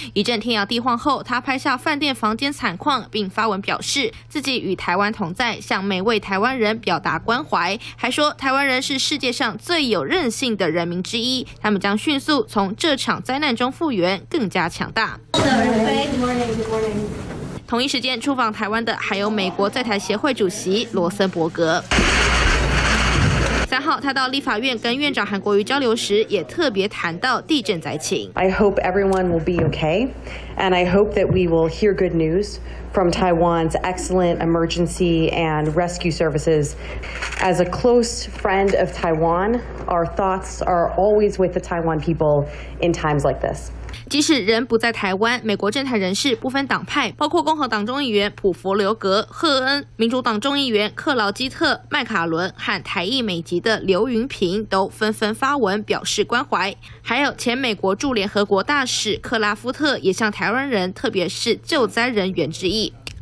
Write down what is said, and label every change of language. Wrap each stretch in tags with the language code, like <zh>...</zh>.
<zh>一阵天摇地晃后，他拍下饭店房间惨况，并发文表示自己与台湾同在，向每位台湾人表达关怀，还说台湾人是世界上最有韧性的人民之一，他们将迅速从这场灾难中复原，更加强大。同一时间出访台湾的还有美国在台协会主席罗森伯格。三号，他到立法院跟院长韩国瑜交流时，也特别谈到地震灾情。</zh> <en>I hope everyone will be okay, and I hope that we will hear good news from Taiwan's excellent emergency and rescue services. As a close friend of Taiwan, our thoughts are always with the Taiwan people in times like this.</en> <zh>即使人不在台湾，美国政坛人士不分党派，包括共和党众议员普佛留格、赫恩，民主党众议员克劳基特、麦卡伦和台裔美籍的刘云平都纷纷发文表示关怀。还有前美国驻联合国大使克拉夫特也向台湾人，特别是救灾人员致意。</zh>